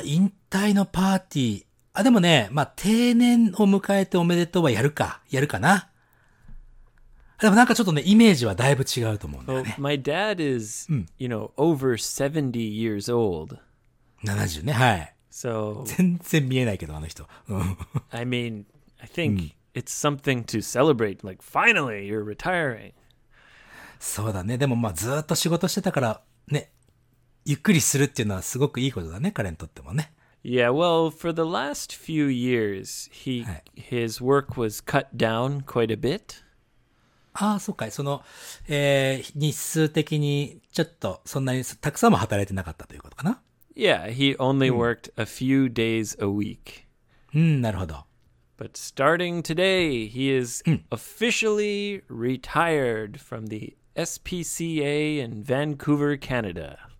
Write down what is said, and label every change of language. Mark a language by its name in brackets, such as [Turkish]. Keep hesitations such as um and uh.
[Japanese] あ、引退のパーティー。あ、でもね、まあ、定年を迎えておめでとうはやるか。やるかな。あでもなんかちょっとね、イメージはだいぶ違うと [English] 思うね。Well, my dad is,、うん、you know, over 70 years old. [Japanese] 70ね、はい。 So, 全然見えないけど、あの人。 [English] I mean, I think、うん it's something to celebrate. Like, finally, you're retiring. [Japanese] そうだね。でも、まあ、ずっと仕事してたから、ね、ゆっくりするっていうのはすごくいいことだね、彼にとってもね。 [English] Yeah, well, for the last few years, he,、はい、his work was cut down quite a bit. [Japanese] ああ、そうかい。その、えー、日数的に、ちょっと、そんなにたくさんも働いてなかったということかな。 [English] Yeah, he only worked、うん、a few days a week. [Japanese] うん、なるほど。 [English] But starting today, he is officially retired from the SPCA in Vancouver, Canada.